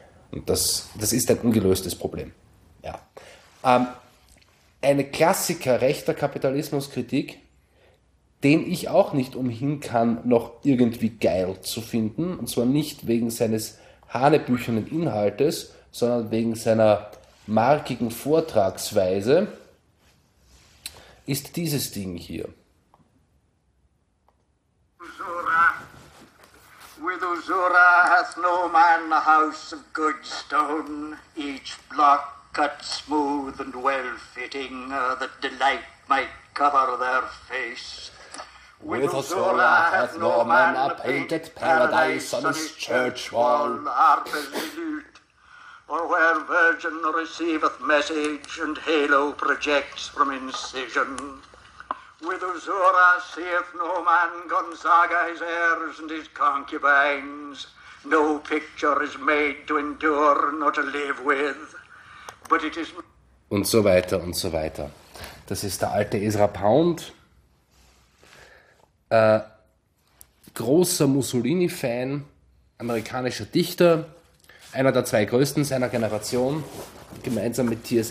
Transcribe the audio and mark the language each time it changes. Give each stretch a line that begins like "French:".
German: Und das ist ein ungelöstes Problem. Ja. Eine Klassiker rechter Kapitalismuskritik, den ich auch nicht umhin kann, noch irgendwie geil zu finden, und zwar nicht wegen seines hanebüchernen Inhaltes, sondern wegen seiner markigen Vortragsweise, ist dieses Ding hier.
English: Usura. With Usura hath no man a house of good stone, each block cut smooth and well-fitting, that delight might cover their face. With Usura hath no man a painted paradise on his church wall. Harp and lute, or where virgin receiveth message and halo projects from incision. With Uzura seeth no man Gonzaga his heirs and his concubines. No picture is made to endure nor to live with. But it is...
German: Und so weiter und so weiter. Das ist der alte Ezra Pound. Großer Mussolini-Fan, amerikanischer Dichter, einer der zwei größten seiner Generation, gemeinsam mit T.S.